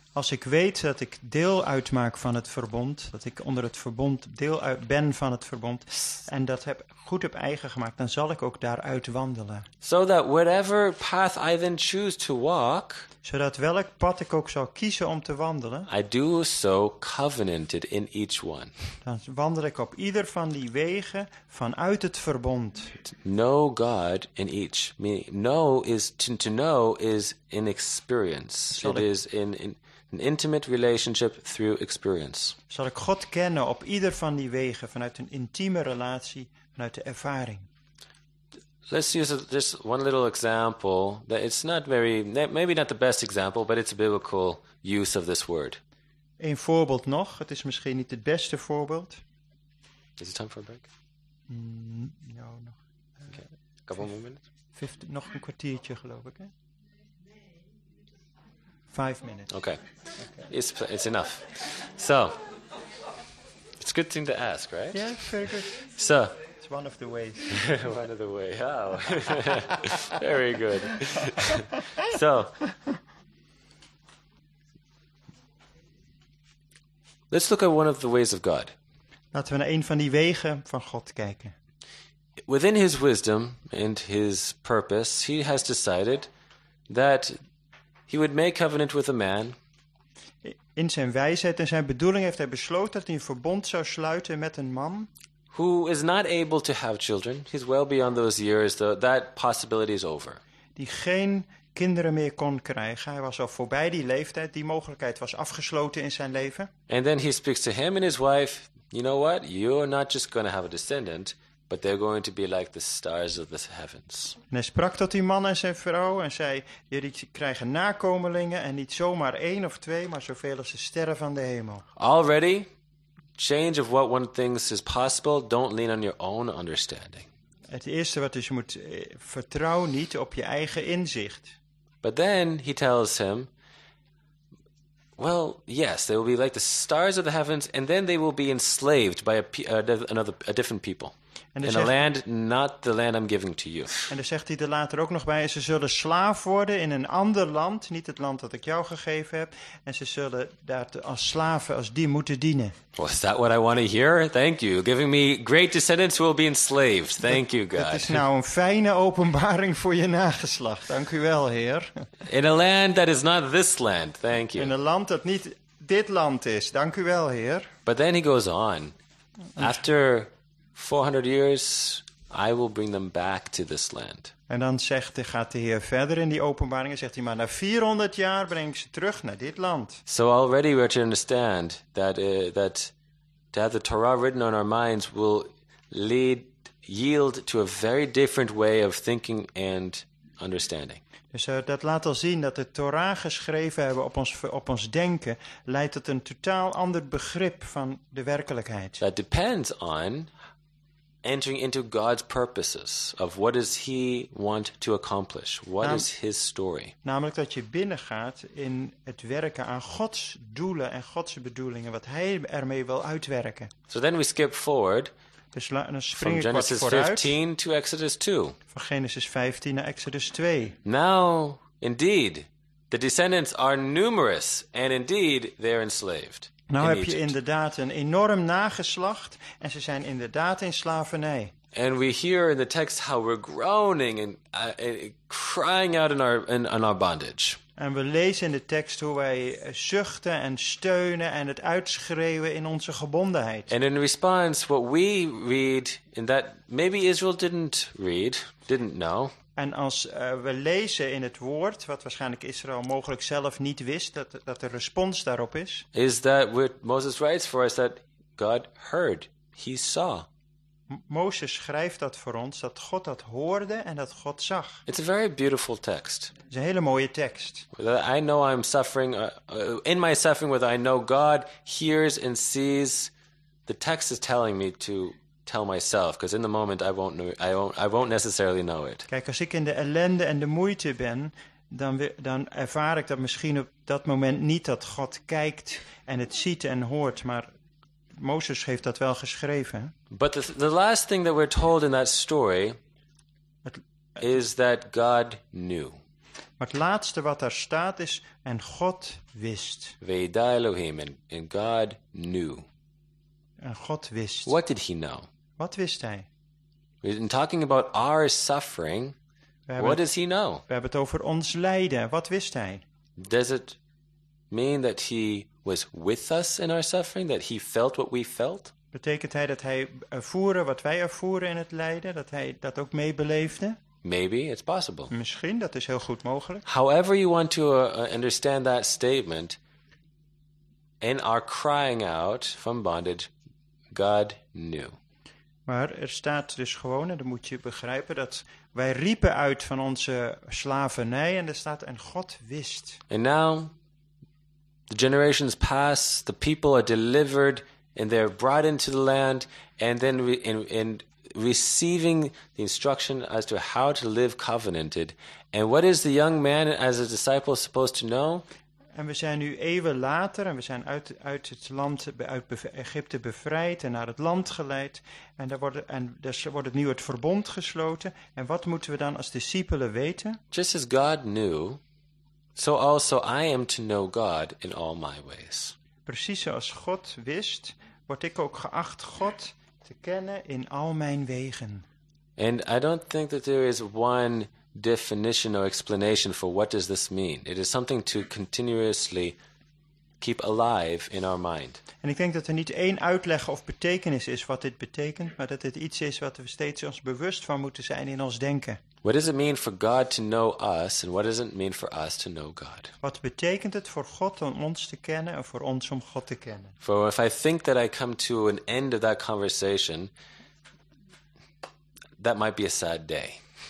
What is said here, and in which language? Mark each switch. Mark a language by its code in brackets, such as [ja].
[nl] Als ik weet dat ik deel uitmaak van het verbond, dat ik onder het verbond deel uit ben van het verbond en dat heb goed op eigen gemaakt, dan zal ik ook daaruit wandelen. [en] So that whatever path I then choose to walk, [nl] zodat welk pad ik ook zal kiezen om te wandelen, [en] I do so covenanted in each one. [nl] Dan wandel ik op ieder van die wegen vanuit het verbond. [en] Know God in each. Know is to know is in experience. It is an intimate relationship through experience. [nl] Zal ik God kennen op ieder van die wegen vanuit een intieme relatie, vanuit de ervaring. [en] Let's use just one little example that it's not very, maybe not the best example, but it's a biblical use of this word. [nl] Een voorbeeld nog. Het is misschien niet het beste voorbeeld. [en] Is it time for a break? [nl] No, nog. [en] Okay. A couple more minutes. [nl] Nog een kwartiertje geloof ik, hè? [en] 5 minutes. Okay. It's enough. So, it's a good thing to ask, right? Yeah, very good. So, it's one of the ways. One of the ways. Oh. Very good. So, let's look at one of the ways of God. [nl] Laten we naar een van die wegen van God kijken. [en] Within his wisdom and his purpose, he has decided that he would make covenant with a man. [nl] In zijn wijsheid en zijn bedoeling heeft hij besloten dat hij een verbond zou sluiten met een man. [en] Who is not able to have children. He's well beyond those years. That possibility is over. [nl] Die geen kinderen meer kon krijgen. Hij was al voorbij die leeftijd. Die mogelijkheid was afgesloten in zijn leven. [en] And then he speaks to him and his wife. You know what? You're not just going to have a descendant, but they're going to be like the stars of the heavens. [nl] En hij sprak tot die man en zijn vrouw en zei, jullie krijgen nakomelingen en niet zomaar één of twee, maar zoveel als de sterren van de hemel. [en] Already, change of what one thinks is possible, don't lean on your own understanding. [nl] Het eerste wat dus je moet vertrouw niet op je eigen inzicht. [en] But then he tells him, well, yes, they will be like the stars of the heavens, and then they will be enslaved by a different people. [nl] In zegt, [en] a land, not the land I'm giving to you. [nl] En dan zegt hij er later ook nog bij, ze zullen slaaf worden in een ander land, niet het land dat ik jou gegeven heb, en ze zullen daar als slaven, als die moeten dienen. [en] Well, is that what I want to hear? Thank you. Giving me great descendants who will be enslaved. Thank you, God. [nl] Het is nou een fijne openbaring voor je nageslacht. Dank u wel, Heer. [en] In a land that is not this land. Thank you. [nl] In een land dat niet dit land is. Dank u wel, Heer. [en] But then he goes on. After 400 years, I will bring them back to this land. [nl] En dan zegt hij, gaat de Heer verder in die openbaringen, zegt hij, maar na 400 jaar breng ik ze terug naar dit land. [en] So already we are to understand that to have the Torah written on our minds will yield to a very different way of thinking and understanding. [nl] Dus dat laat al zien dat de Torah geschreven hebben op ons denken leidt tot een totaal ander begrip van de werkelijkheid. [en] That depends on entering into God's purposes of what does he want to accomplish? What is his story? [nl] Namelijk dat je binnengaat in het werken aan Gods doelen en Gods bedoelingen, wat hij ermee wil uitwerken. [en] So then we skip forward from Genesis 15 to Exodus 2. [nl] Van Genesis 15 naar Exodus 2. [en] Now, indeed, the descendants are numerous and indeed they are enslaved. [nl] Nou heb je inderdaad een enorm nageslacht en ze zijn inderdaad in slavernij. [en] And we hear in the text how we're groaning and crying out in our bondage. [nl] En we lezen in de tekst hoe wij zuchten en steunen en het uitschreeuwen in onze gebondenheid. [en] And in response, what we read in that maybe Israel didn't know. [nl] En als we lezen in het woord, wat waarschijnlijk Israël mogelijk zelf niet wist, dat de respons daarop is. [en] Is that what Moses writes for us, that God heard, he saw. [nl] Mozes schrijft dat voor ons, dat God dat hoorde en dat God zag. [en] It's a very beautiful text. [nl] Het is een hele mooie tekst. [en] That I know I'm suffering, in my suffering, whether I know God hears and sees, the text is telling me to tell myself, because in the moment I won't necessarily know it. [nl] Kijk, als ik in de ellende en de moeite ben, dan ervaar ik dat misschien op dat moment niet dat God kijkt en het ziet en hoort, maar Mozes heeft dat wel geschreven. [en] But the last thing that we're told in that story is that God knew. [nl] Maar het laatste wat daar staat is, en God wist. [he] Veida Elohim, [en] and God knew. [nl] En God wist. [en] What did he know? [nl] Wat wist hij? [en] We've been talking about our suffering. What does he know? [nl] We hebben het over ons lijden. Wat wist hij? [en] Does it mean that he was with us in our suffering? That he felt what we felt? [nl] Betekent hij dat hij ervoerde wat wij ervoeren in het lijden? Dat hij dat ook meebeleefde? [en] Maybe, it's possible. [nl] Misschien, dat is heel goed mogelijk. [en] However you want to understand that statement, in our crying out from bondage, God knew. [nl] Maar er staat dus gewoon, en dan moet je begrijpen, dat wij riepen uit van onze slavernij en er staat, en God wist. [en] And now, the generations pass, the people are delivered, and they're brought into the land, and then in receiving the instruction as to how to live covenanted. And what is the young man as a disciple supposed to know? [nl] En we zijn nu eeuwen later en we zijn uit het land, uit Egypte bevrijd en naar het land geleid. En daar wordt het nu het verbond gesloten. En wat moeten we dan als discipelen weten? [en] Just as God knew, so also I am to know God in all my ways. [nl] Precies zoals God wist, word ik ook geacht God te kennen in al mijn wegen. [en] And I don't think that there is one definition or explanation for what does this mean. It is something to continuously keep alive in our mind. [nl] En ik denk dat er niet één uitleg of betekenis is wat dit betekent, maar dat het iets is wat we steeds ons bewust van moeten zijn in ons denken. [en] What does it mean for God to know us and what does it mean for us to know God? [nl] Wat betekent het voor God om ons te kennen en voor ons om God te kennen? [en] For if I think that I come to an end of that conversation, that might be a sad day.